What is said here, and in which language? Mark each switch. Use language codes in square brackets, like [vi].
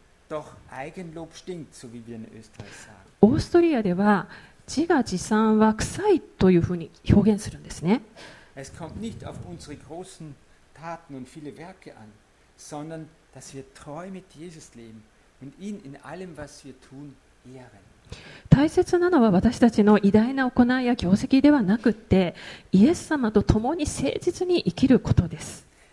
[de] Doch Eigenlob stinkt, so wie wir in Österreich sagen. [ja] オーストリアでは自画自賛は臭いというふうに表現するんですね。 [de] Es kommt nicht auf unsere großen Taten und viele Werke an, sondern dass wir treu mit Jesus leben und ihn in allem, was wir tun, ehren. [ja] 大切なのは私たちの偉大な行いや業績ではなくって、イエス様と共に誠実に生きることです。